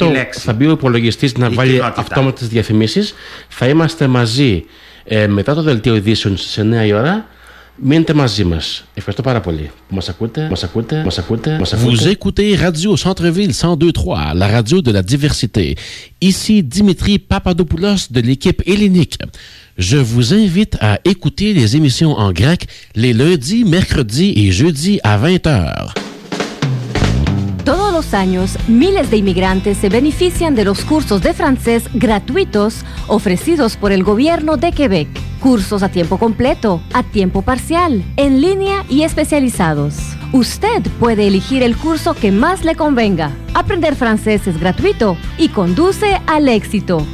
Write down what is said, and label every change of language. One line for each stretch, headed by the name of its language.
Greek: θα μπει ο υπολογιστής να βάλει αυτόματες διαφημίσεις. Θα είμαστε μαζί μετά το δελτίο ειδήσεων στις 9 η ώρα. Μείνετε μαζί μας. Ευχαριστώ πάρα πολύ. Μας ακούτε.
French: Vous écoutez Radio Centreville 102.3, la radio de la diversité. Ici Dimitri Papadopoulos de l'équipe Hellénique. Je vous invite à écouter les émissions en grec les lundis, mercredis et jeudis à 20h.
Spanish: Todos los años, miles de inmigrantes se benefician de los cursos de francés gratuitos ofrecidos por el gobierno de Quebec. Cursos a tiempo completo, a tiempo parcial, en línea y especializados. Usted puede elegir el curso que más le convenga. Aprender francés es gratuito y conduce al éxito.